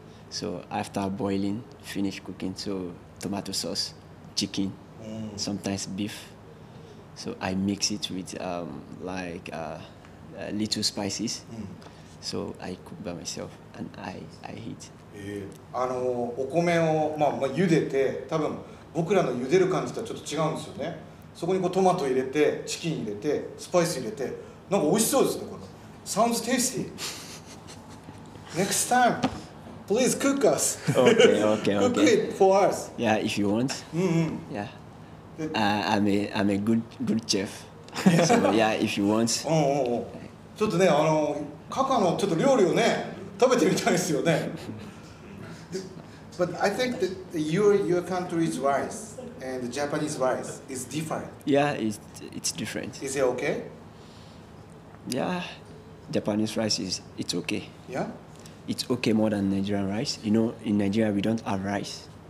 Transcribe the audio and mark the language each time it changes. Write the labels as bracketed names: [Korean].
[English] So after boiling, finish cooking, so tomato sauce, chicken, sometimes beef. So I mix it with little spices. So I cook by myself and I eat. [Japanese] お米を、まあ、茹でて、多分僕らの茹でる感じとはちょっと違うんですよね。そこにこうトマト入れて、チキン入れて、スパイス入れて、なんか美味しそうですね、これ。 [English] Sounds tasty. Next time, please cook us. Okay, okay, okay. Cook it for us. Yeah, if you want. Yeah. I'm a good chef. So yeah, if you want. [Japanese] ちょっとね、あの、カカのちょっと料理をね、食べてみたいですよね。 [English] But I think that your country's rice and the Japanese rice is different. Yeah, it's different. Is it okay? Yeah, Japanese rice it's okay. Yeah? It's okay more than Nigerian rice. You know, in Nigeria we don't have rice.